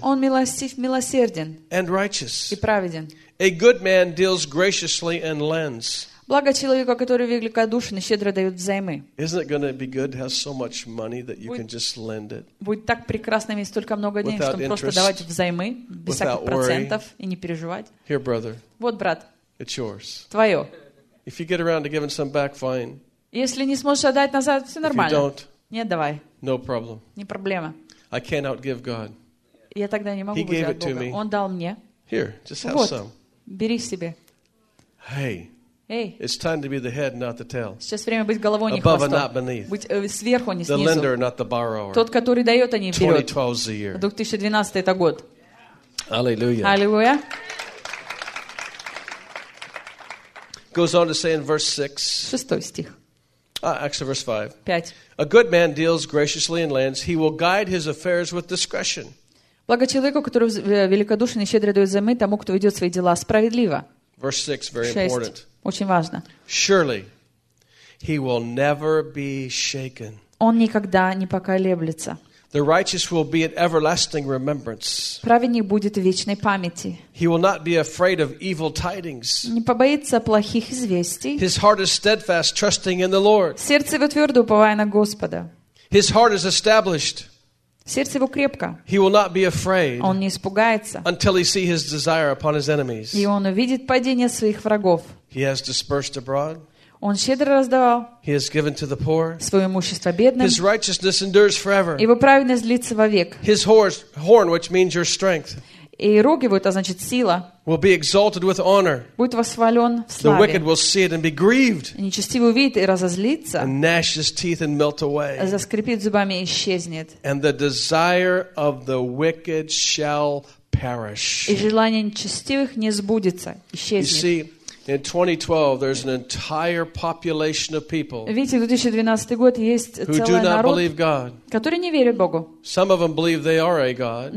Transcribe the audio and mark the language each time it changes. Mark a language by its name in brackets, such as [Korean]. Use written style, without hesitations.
[Russian] Он милостив, милосерден. [English] And righteous. [Russian] И праведен. [English] A good man deals graciously and lends. [Russian] Благо человека, который великодушен и щедро дает взаймы. [English] Isn't it going to be good to have so much money that you can just lend it? [Russian] Будет так прекрасно иметь столько много денег, чтобы просто давать взаймы без всяких процентов и не переживать. [English] Here, brother. [Russian] Вот, брат. [English] It's yours. [Russian] Твое. [English] If you get around to giving some back, fine. [Russian] Если не сможешь отдать назад, все нормально. [English] If you don't, [Russian] нет, давай. [English] No problem. [Russian] Не проблема. [English] I can't outgive God. [Russian] Я тогда не могу взять от Бога. Он дал мне. [English] Here, just have [Russian] вот, [English] some. [Russian] Бери себе. [English] Hey. Hey. It's time to be the head, not the tail. [Russian] Сейчас время быть головой, не [English] above [Russian] хвостом. [English] And not beneath. [Russian] Быть сверху, не снизу. [English] The lender, not the borrower. [Russian] Тот, который дает, а не берет. [English] 2012 is the year. [Russian] 2012 это год. [English] Hallelujah. Hallelujah. Goes on to say in verse 6. [Russian] Шестой стих. [English] Actually, verse 5. [Russian] 5. [English] A good man deals graciously and lends. He will guide his affairs with discretion. [Russian] Благо человеку, который великодушен и щедро дает взаймы, тому, кто ведет свои дела справедливо. [English] Verse 6, very important. [Russian] Очень важно. [English] Surely, he will never be shaken. [Russian] Он никогда не поколеблется. [English] The righteous will be at everlasting remembrance. [Russian] Праведник будет в вечной памяти. [English] He will not be afraid of evil tidings. [Russian] Не побоится плохих известий. [English] His heart is steadfast, trusting in the Lord. [Russian] Сердце его твердо, уповая на Господа. [English] His heart is established. [Russian] Сердце его крепко. [English] He will not be afraid. [Russian] Он не испугается. [English] Until he see his desire upon his enemies. [Russian] И он увидит падение своих врагов. [English] He has dispersed abroad. [Russian] Он щедро раздавал. [English] He has given to the poor. [Russian] Свое имущество бедным. [English] His righteousness endures forever. [Russian] Его праведность длится вовек. [English] His horn, which means your strength. [Russian] И рог его, это значит сила. [English] Will be exalted with honor. [Russian] Будет восхвален в славе. [English] The wicked will see it and be grieved. [Russian] И нечестивый увидит и разозлится. [English] And gnash his teeth and melt away. [Russian] Заскрипит зубами и исчезнет. [English] And the desire of the wicked shall perish. [Russian] И желание нечестивых не сбудется, исчезнет. [English] You see, in 2012, there's an entire population of people who do not believe God. [Russian] Которые не верят Богу. [English] Some of them believe they are a God.